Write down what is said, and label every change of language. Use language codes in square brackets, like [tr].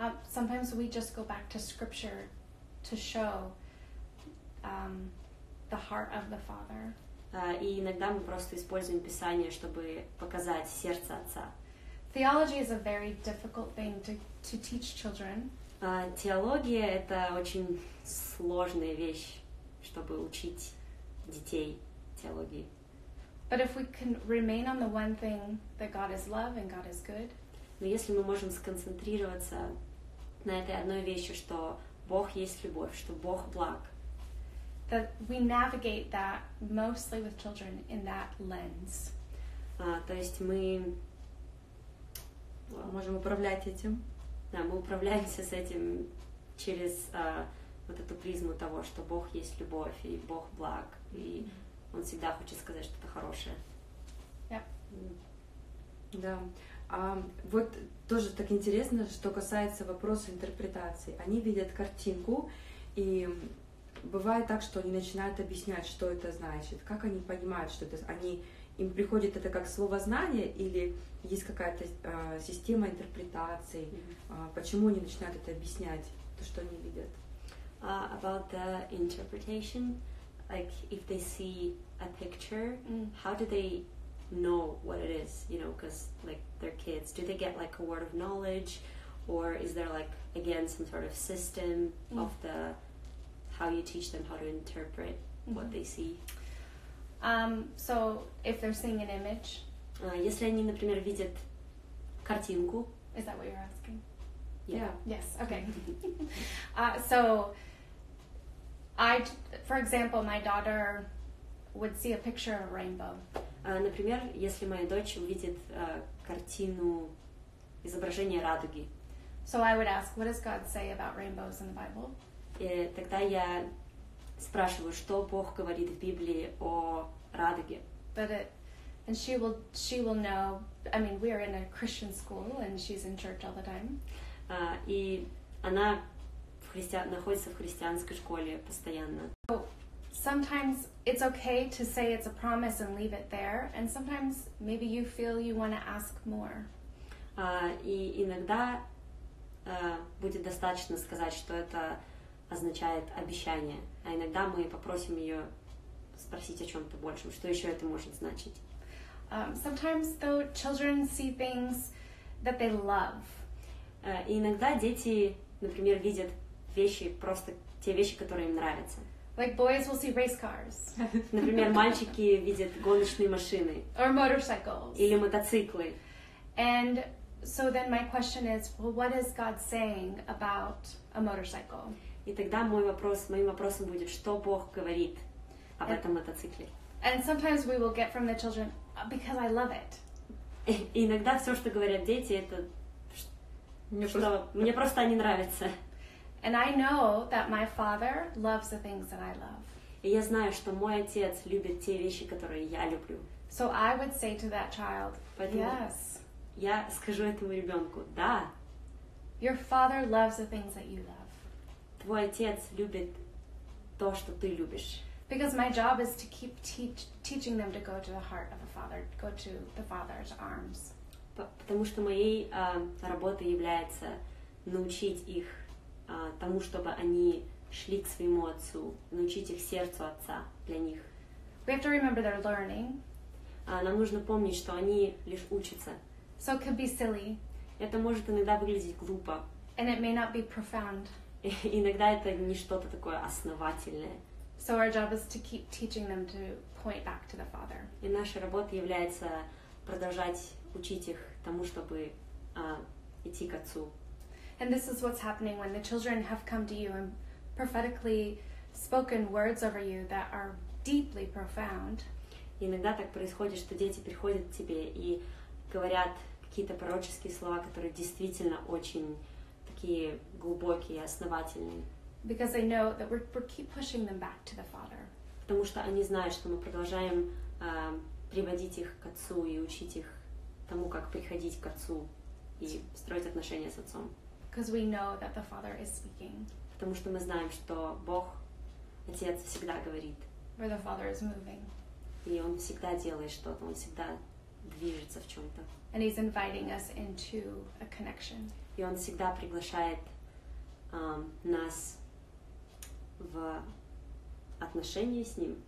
[en] Sometimes we just go back to Scripture to show the heart of the Father. [ru] И иногда мы просто используем Писание, чтобы показать сердце Отца. [en] Theology is a very difficult thing to teach children. [ru] Теология — это очень сложная вещь, чтобы учить детей теологии. [en] But if we can remain on the one thing that God is love and God is good. [ru] Но если мы можем сконцентрироваться на этой одной вещи, что Бог есть любовь, что Бог благ. [en] That we navigate that mostly with children in that lens. [ru] То есть мы можем управлять этим. Да, мы управляемся с этим через вот эту призму того, что Бог есть любовь, и Бог благ, и Он всегда хочет сказать что-то хорошее. [en] Yeah. [ru] Да. Вот тоже так интересно, что касается вопроса интерпретации. Они видят картинку, и бывает так, что они начинают объяснять, что это значит, как они понимают, что это... Им приходит это как слово знание или есть какая-то система интерпретаций? Почему они начинают это объяснять, то, что они видят? [en] About the interpretation, like if they see a picture, how do they know what it is? You know, because like their kids, do they get like a word of knowledge, or is there like again some sort of system of the how you teach them how to interpret what they see? So if they're seeing an image, [ru] если они, например, видят картинку, [en] is that what you're asking? Yeah. Yes. Okay. So I, for example, my daughter would see a picture of a rainbow. [ru] Например, если моя дочь увидит картину изображение радуги. [en] So I would ask, what does God say about rainbows in the Bible? [ru] И тогда я спрашиваю, что Бог говорит в Библии о радуге. [en] But it, and she will know. I mean, we are in a Christian school, and she's in church all the time. [ru] И она находится в христианской школе постоянно. [en] So sometimes it's okay to say it's a promise and leave it there, and sometimes maybe you feel you want to ask more. [ru] И иногда будет достаточно сказать, что это означает обещание, а иногда мы попросим ее спросить о чем-то большем, что еще это может значить. [en] Sometimes though children see things that they love. [ru] И иногда дети, например, видят вещи, просто те вещи, которые им нравятся. [en] Like boys will see race cars. [ru] Например, мальчики видят гоночные машины. [en] Or motorcycles. [ru] Или мотоциклы. [en] And so then my question is, well, what is God saying about a motorcycle? [ru] И тогда моим вопросом будет, что Бог говорит об этом мотоцикле. [en] And sometimes we will get from the children, because I love it. [ru] И иногда все, что говорят дети, это что мне просто они нравятся. [en] And I know that my father loves the things that I love. [ru] И я знаю, что мой отец любит те вещи, которые я люблю. [en] So I would say to that child, yes. [ru] Я скажу этому ребенку, да. [en] Your father loves the things that you love. [ru] твой отец любит то, что ты любишь. [en] Because my job is to keep teaching them to go to the heart of the Father, go to the Father's arms. [ru] Потому что моей работой является научить их тому, чтобы они шли к своему отцу, научить их сердцу отца для них. [en] We have to remember they're learning. [ru] Нам нужно помнить, что они лишь учатся. [en] So it could be silly. [ru] Это может иногда выглядеть глупо. [en] And it may not be profound. [ru] Иногда это не что-то такое основательное. [en] So our job is to keep teaching them to point back to the Father. [ru] И наша работа является продолжать учить их тому, чтобы идти к отцу. [en] And this is what's happening when the children have come to you and prophetically spoken words over you that are deeply profound. [ru] Иногда так происходит, что дети приходят к тебе и говорят какие-то пророческие слова, которые действительно очень такие глубокие, основательные. [en] Because they know that we keep pushing them back to the Father. [ru] Потому что они знают, что мы продолжаем приводить их к Отцу и учить их тому, как приходить к Отцу и строить отношения с Отцом. [en] Because we know that the Father is speaking. [ru] Потому что мы знаем, что Бог, Отец, всегда говорит. [en] Where the Father is moving. [ru] И Он всегда делает что-то, Он всегда движется в чем-то. [en] And He's inviting us into a connection. [ru] И Он всегда приглашает нас в отношения с Ним.